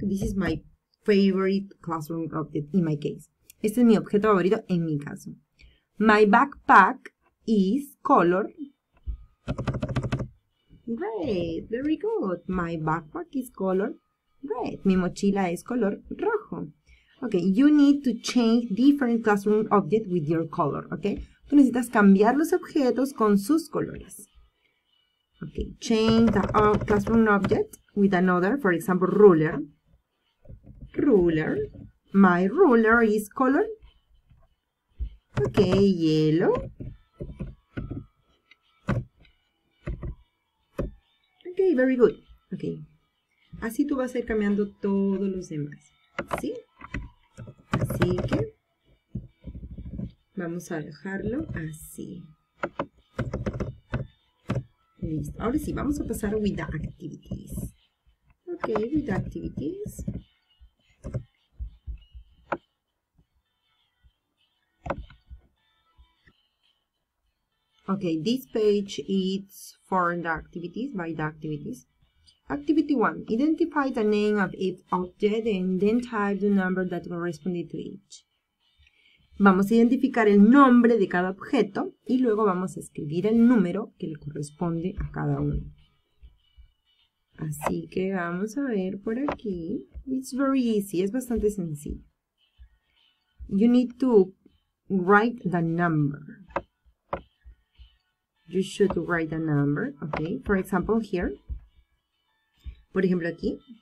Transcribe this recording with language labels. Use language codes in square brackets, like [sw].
[en] This is my favorite classroom object in my case. [es] Este es mi objeto favorito en mi caso. [en] My backpack is color. Red. Very good. My backpack is color red. [es] Mi mochila es color rojo. [en] Okay, you need to change different classroom objects with your color. [es] Okay, tú necesitas cambiar los objetos con sus colores. [en] Okay, change the classroom object with another. For example, ruler. Ruler. My ruler is color. Okay, yellow. Okay, very good. Okay. [es] Así tú vas a ir cambiando todos los demás. ¿Sí? Así que vamos a dejarlo así. Listo. Ahora sí, vamos a pasar [en] with the activities. Okay, with the activities. Okay, this page is for the activities, by the activities. Activity 1, identify the name of each object and then type the number that corresponded to each. [es] Vamos a identificar el nombre de cada objeto y luego vamos a escribir el número que le corresponde a cada uno. Así que vamos a ver por aquí. [en] It's very easy, [es] es bastante sencillo. [en] You need to write the number. You should write a number, okay? For example, here. [es] Por ejemplo, aquí.